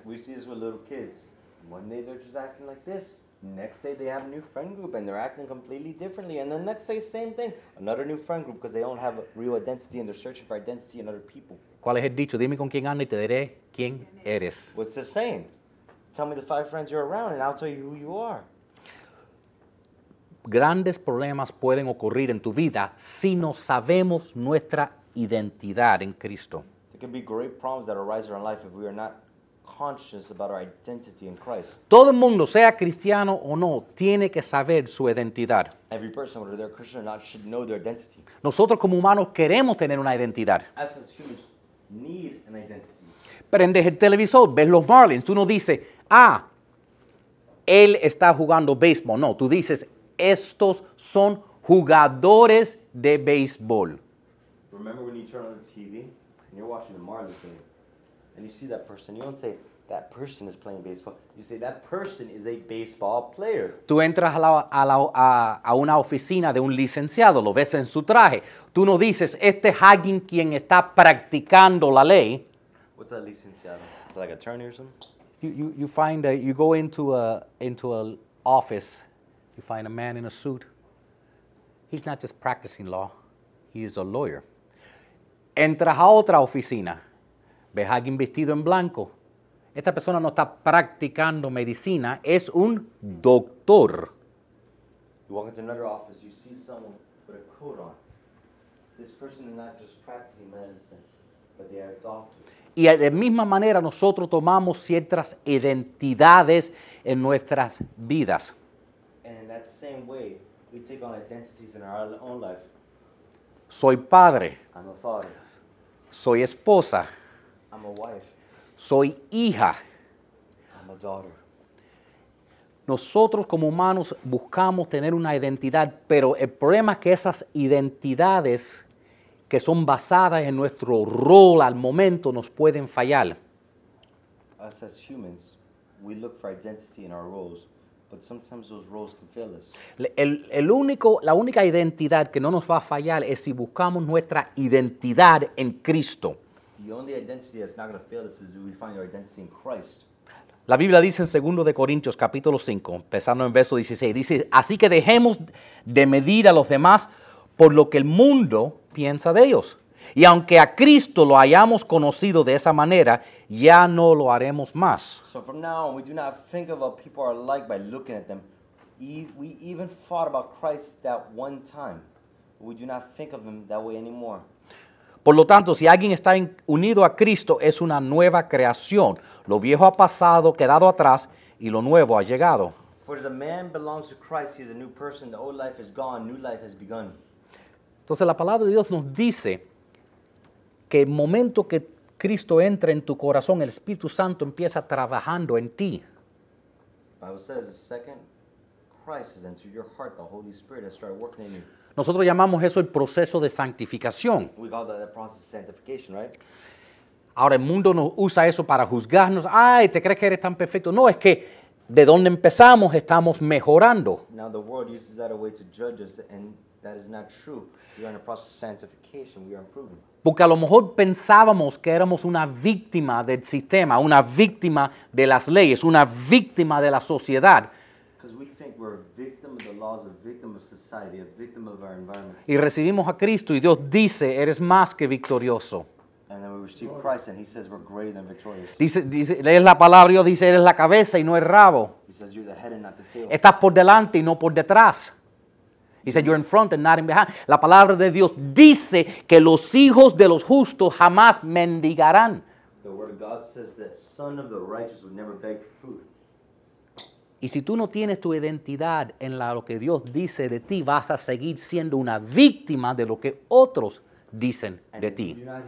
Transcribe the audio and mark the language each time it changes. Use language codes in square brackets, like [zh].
[en] We see this with little kids. One day they're just acting like this. Next day they have a new friend group and they're acting completely differently. And the next day, same thing. Another new friend group because they don't have a real identity and they're searching for identity in other people. [es] ¿Cuál es el dicho? Dime con quién andas y te diré quién eres. [en] What's the saying? Tell me the five friends you're around and I'll tell you who you are. [es] Grandes problemas pueden ocurrir en tu vida si no sabemos nuestra identidad en Cristo. [en] There can be great problems that arise in our life if we are not conscious about our identity in Christ. [es] Todo el mundo, sea cristiano o no, tiene que saber su identidad. [en] Every person, whether they're Christian or not, should know their identity. [es] Nosotros como humanos queremos tener una identidad. [en] As humans, need an identity. [es] Prendes el televisor, ves los Marlins, tú no dices, ah, él está jugando béisbol. No, tú dices, estos son jugadores de béisbol. [en] Remember when you turn on the TV and you're watching the Marlins game? And you see that person, you don't say, that person is playing baseball. You say, that person is a baseball player. [es] Tú entras a una oficina de un licenciado, lo ves en su traje. Tú no dices, este es alguien quien está practicando la ley. [en] What's that licenciado? Is it like attorney or something? You find that you go into an office, you find a man in a suit. He's not just practicing law, he is a lawyer. [es] Entras a otra oficina. Ves a alguien vestido en blanco. Esta persona no está practicando medicina. Es un doctor. [en] You walk into another office. You see someone with a coat on. This person is not just practicing medicine, but they are a doctor. [es] Y de misma manera, nosotros tomamos ciertas identidades en nuestras vidas. [en] And in that same way, we take on identities in our own life. [es] Soy padre. [en] I'm a father. [es] Soy esposa. [en] I'm a wife. [es] Soy hija. [en] I'm a daughter. [es] Nosotros como humanos buscamos tener una identidad, pero el problema es que esas identidades que son basadas en nuestro rol al momento nos pueden fallar. [en] Us as humans, we look for identity in our roles, but sometimes those roles can fail us. [es] La única identidad que no nos va a fallar es si buscamos nuestra identidad en Cristo. [en] The only identity that's not going to fail us is if we find our identity in Christ. [es] La Biblia dice en 2 de Corintios, capítulo 5, empezando en verso 16, dice, así que dejemos de medir a los demás por lo que el mundo piensa de ellos. Y aunque a Cristo lo hayamos conocido de esa manera, ya no lo haremos más. [en] So from now on, we do not think of what people are like by looking at them. We even thought about Christ that one time. We do not think of him that way anymore. [es] Por lo tanto, si alguien está unido a Cristo, es una nueva creación. Lo viejo ha pasado, quedado atrás, y lo nuevo ha llegado. [en] For as a man belongs to Christ, he is a new person. The old life is gone, new life has begun. [es] Entonces, la palabra de Dios nos dice que el momento que Cristo entra en tu corazón, el Espíritu Santo empieza trabajando en ti. [en] The Bible says, the second Christ has entered your heart, the Holy Spirit has started working in you. [es] Nosotros llamamos eso el proceso de santificación. [en] We call that the process of sanctification, right? [es] Ahora el mundo nos usa eso para juzgarnos. Ay, ¿te crees que eres tan perfecto? No, es que de donde empezamos estamos mejorando. [en] Now the world uses that a way to judge us, and that is not true. We are in the process of sanctification. We are improving. [es] Porque a lo mejor pensábamos que éramos una víctima del sistema, una víctima de las leyes, una víctima de la sociedad. [en] Because we think we're a victim of the laws, a victim of society, a victim of our environment. [es] Y recibimos a Cristo y Dios dice, eres más que victorioso. [en] And then we receive Christ and he says we're greater than victorious. [es] Dice, lees la palabra y Dios dice, eres la cabeza y no el rabo. [en] He says you're the head and not the tail. [es] Estás por delante y no por detrás. [en] He said you're in front and not in behind. [es] La palabra de Dios dice que los hijos de los justos jamás mendigarán. [en] The word of God says the son of the righteous would never beg food. [es] Y si tú no tienes tu identidad en lo que Dios dice de ti, vas a seguir siendo una víctima de lo que otros dicen de ti.